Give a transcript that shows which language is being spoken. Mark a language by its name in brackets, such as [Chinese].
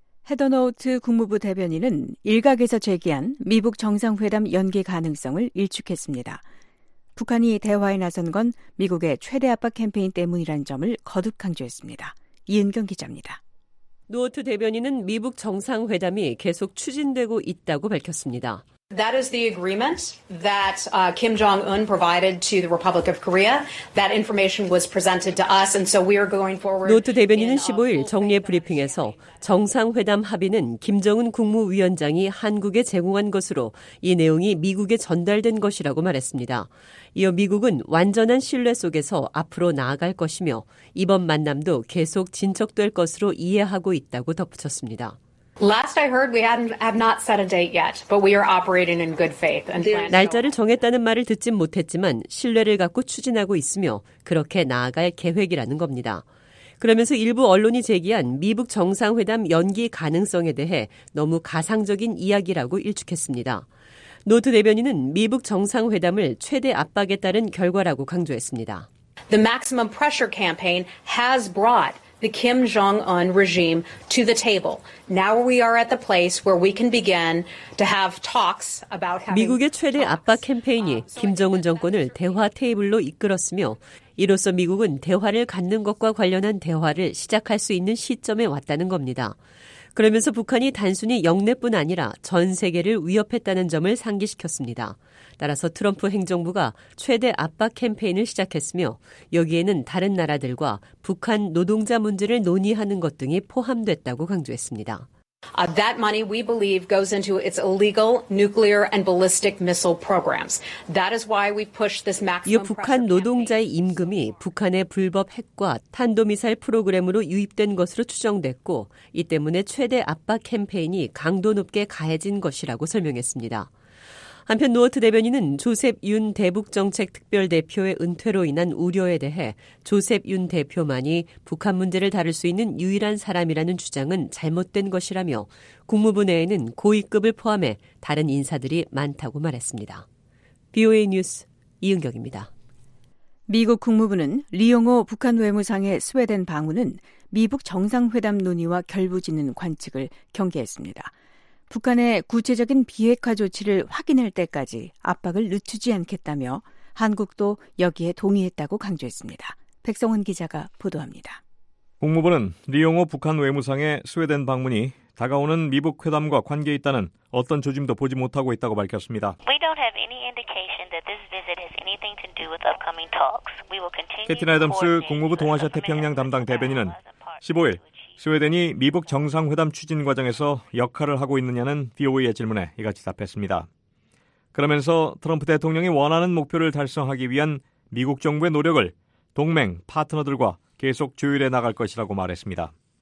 [Korean] 헤더노우트 국무부 대변인은 일각에서 제기한 미북 정상회담 연기 가능성을 일축했습니다. 북한이 대화에 나선 건 미국의 최대 압박 캠페인 때문이라는 점을 거듭 강조했습니다. 이은경 기자입니다. 노우트 대변인은 미북 정상회담이 계속 추진되고 있다고 밝혔습니다. [English] That is the agreement that Kim Jong-un provided to the Republic of Korea. That information was presented to us, and so we are going forward. [Korean] 노트 대변인은 15일 정례 브리핑에서 정상회담 합의는 김정은 국무위원장이 한국에 제공한 것으로 이 내용이 미국에 전달된 것이라고 말했습니다. 이어 미국은 완전한 신뢰 속에서 앞으로 나아갈 것이며 이번 만남도 계속 진척될 것으로 이해하고 있다고 덧붙였습니다. [English] Last I heard, we have not set a date yet, but we are operating in good faith. [Korean] 날짜를 정했다는 말을 듣진 못했지만 신뢰를 갖고 추진하고 있으며 그렇게 나아갈 계획이라는 겁니다. 그러면서 일부 언론이 제기한 미북 정상회담 연기 가능성에 대해 너무 가상적인 이야기라고 일축했습니다. 노트 대변인은 미북 정상회담을 최대 압박에 따른 결과라고 강조했습니다. [English] The maximum pressure campaign has brought the Kim Jong-un regime to the table. Now we are at the place where we can begin to have talks about having [Korean] 미국의 최대 압박 캠페인이 김정은 정권을 대화 테이블로 이끌었으며 이로써 미국은 대화를 갖는 것과 관련한 대화를 시작할 수 있는 시점에 왔다는 겁니다. 그러면서 북한이 단순히 영내뿐 아니라 전 세계를 위협했다는 점을 상기시켰습니다. 따라서 트럼프 행정부가 최대 압박 캠페인을 시작했으며 여기에는 다른 나라들과 북한 노동자 문제를 논의하는 것 등이 포함됐다고 강조했습니다. [English] That money we believe goes into its illegal nuclear and ballistic missile programs. That is why we push this maximum pressure. [Korean] 이 북한 노동자의 임금이 북한의 불법 핵과 탄도미사일 프로그램으로 유입된 것으로 추정됐고 이 때문에 최대 압박 캠페인이 강도 높게 가해진 것이라고 설명했습니다. 한편 노어트 대변인은 조셉 윤 대북정책특별대표의 은퇴로 인한 우려에 대해 조셉 윤 대표만이 북한 문제를 다룰 수 있는 유일한 사람이라는 주장은 잘못된 것이라며 국무부 내에는 고위급을 포함해 다른 인사들이 많다고 말했습니다. BOA 뉴스 이은경입니다. 미국 국무부는 리용호 북한 외무상의 스웨덴 방문은 미북 정상회담 논의와 결부짓는 관측을 경계했습니다. 북한의 구체적인 비핵화 조치를 확인할 때까지 압박을 늦추지 않겠다며 한국도 여기에 동의했다고 강조했습니다. 백성원 기자가 보도합니다. 국무부는 리용호 북한 외무상의 스웨덴 방문이 다가오는 미북 회담과 관계 있다는 어떤 조짐도 보지 못하고 있다고 밝혔습니다. [English] We don't have any indication that this visit has anything to do with upcoming talks. We will continue. [Korean] 캐티나 애덤스 국무부 동아시아 태평양 담당 대변인은 15일 스웨덴이 미북 정상회담 추진 과정에서 역할을 하고 있느냐는 BOA의 질문에 이같이 답했습니다. 그러면서 트럼프 대통령이 원하는 목표를 달성하기 위한 미국 정부의 노력을 동맹, 파트너들과 계속 조율해 나갈 것이라고 말했습니다.